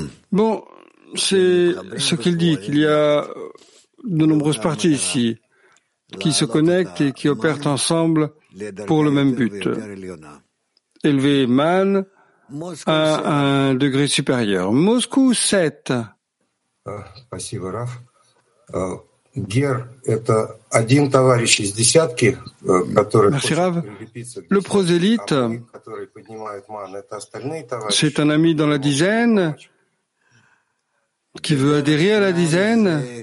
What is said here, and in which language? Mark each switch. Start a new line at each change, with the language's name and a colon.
French: Bon, c'est ce qu'il dit, qu'il y a de nombreuses parties ici qui se connectent et qui opèrent ensemble pour le même but. Élever Man à un degré supérieur. Moscou 7. Merci, Raf.
Russian: Гер – это один товарищ из десятки, который хочет прилепиться.
French: Le prosélyte,
Russian: который поднимает ман, это остальные товарищи.
French: C'est un ami dans la dizaine qui veut adhérer à la dizaine.